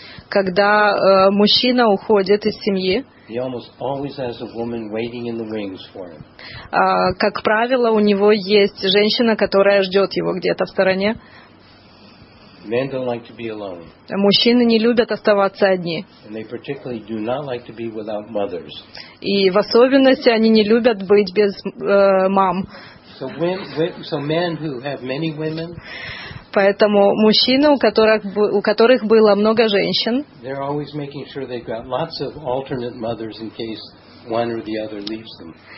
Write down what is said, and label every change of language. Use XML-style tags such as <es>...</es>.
<ru>Когда мужчина уходит из семьи, как правило, у него есть женщина, которая ждет его где-то в стороне.</ru> <en>Men don't like to be alone.</en> <ru>Мужчины не любят оставаться одни.</ru> <en>And they particularly do not like to be without mothers.</en> <ru>И в особенности они не любят быть без мам.</ru> <en>So men who have many women.</en> <ru>Поэтому мужчины, у которых было много женщин.</ru> <en>They're always making sure they've got lots of alternate mothers in case one or the other leaves them.</en>